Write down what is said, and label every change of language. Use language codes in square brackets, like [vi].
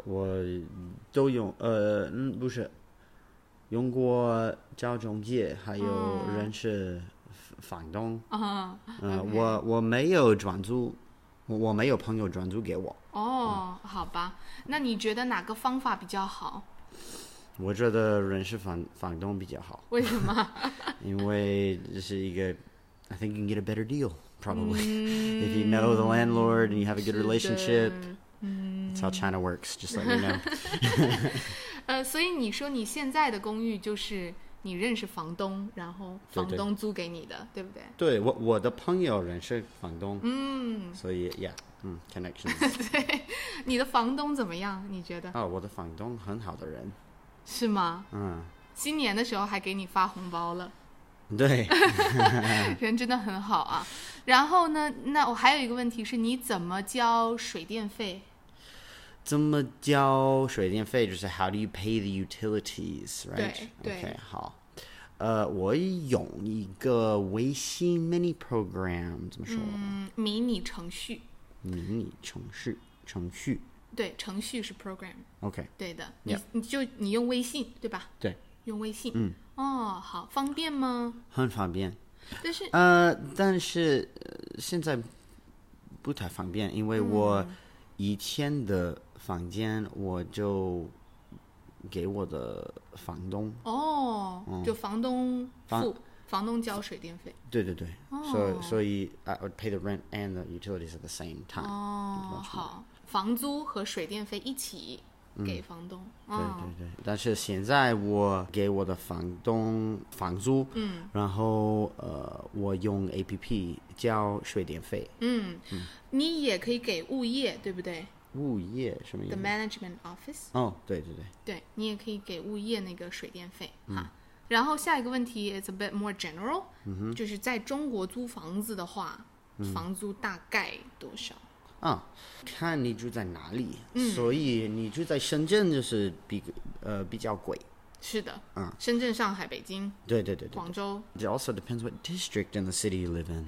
[zh] 我都用，不是，用过找中介，还有认识房东。啊、嗯。 [en] Okay. [zh] 我没有转租，我没有朋友转租给我。哦、好吧，那你觉得哪个方法比较好？我觉得认识房东比较好。为什么？因为这是一个 [en] I think you can get a better deal, probably. If you know the landlord and you have a good relationship, that's how China works, just let me know. [zh] 所以你说你现在的公寓就是你认识房东，然后房东租给你的，对不对？对，我的朋友认识房东，所以 [en] yeah, connections. [zh] 对，你的房东怎么样？你觉得？我的房东很好的人。是吗？嗯，新年的时候还给你发红包了，对，人真的很好啊。然后呢，那我还有一个问题是，你怎么交水电费？怎么交水电费？就是 [en] how do you pay the utilities, right? [zh] 对对。 OK， 好。我用一个微信 mini program， 怎么说？迷你程序。迷你程序，程序。对，程序是 program。 OK。对的， [en] yeah. [zh] 你用微信对吧？对，用微信。嗯。哦，好，方便吗？很方便。但是现在不太方便，因为我以前的房间我就给我的房东。哦。就房东付。房东交水电费，对对对、哦、所以 [en] I would pay the rent and the utilities at the same time、 [zh] 哦、好，房租和水电费一起给房东、对对对，但是现在我给我的房东房租、然后我用 APP 交水电费。你也可以给物业对不对？物业什么意思？ [en] The management office。 [zh] 哦，对对对，对，你也可以给物业那个水电费。然后下一个问题 [en] is a bit more general、 [zh] 就是在中国租房子的话、房租大概多少啊？看你住在哪里、嗯、所以你住在深圳就是比较贵。是的、啊、深圳、上海、北京，对对 对广州。 [en] It also depends what district in the city you live in.